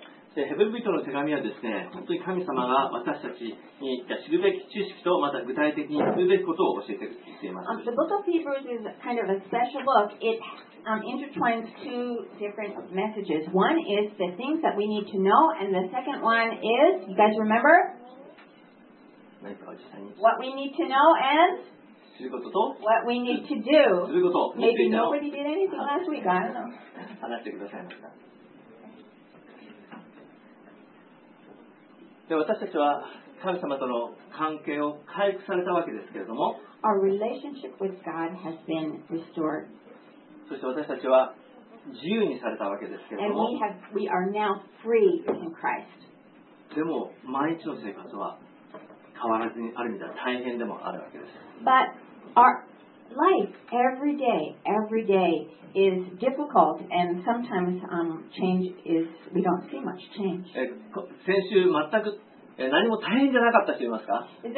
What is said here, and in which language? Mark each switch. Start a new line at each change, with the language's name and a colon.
Japanese: でヘブル人の手紙はですね、本当に神様が私たちに知るべき知識とまた具体的に知るべきことを教えてくれています。
English: The book of Hebrews is kind of a special book. It intertwines two different messages. One is the things that we need to know, and the second one is, you guys remember? What we need to know and what we need to do. Maybe nobody did anything last week. I don't know.
Japanese: 話してくださいました。で私たちは神様との関係を回復されたわけですけれども
English: Our relationship with God has been restored.
Japanese: そして私たちは自由にされたわけですけれども
English: And we are now free in Christ.
Japanese: でも毎日の生活は変わらずにある意味では大変でもあるわけです
English: But our life every day is difficult and sometimes change is we don't see much change.
Japanese: 先週全く何も大変じゃなかった人いますか？